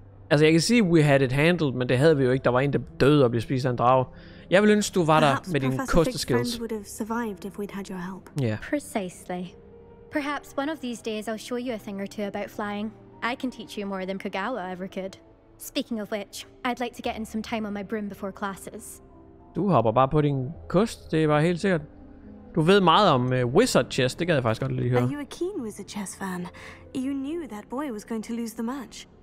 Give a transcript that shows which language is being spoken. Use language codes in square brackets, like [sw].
[da] Altså, jeg kan sige, [en] we had it handled, [da] men det havde vi jo ikke. Der var en, der døde og blev spist af en drage. Jeg ville ønske, du var der med din koste skills. [en] Would have survived if we'd had your help. Yeah. Precisely. Perhaps one of these days I'll show you a thing or two about flying. I can teach you more than Kagawa ever could. Speaking of which, I'd like to get in some time on my broom before classes. [da] Du hopper bare på din kost, det er bare helt sikkert. Du ved meget om wizard chess, det gad jeg faktisk godt lige høre. [en] Are you a keen wizard chess fan? You knew that boy was going to lose the match.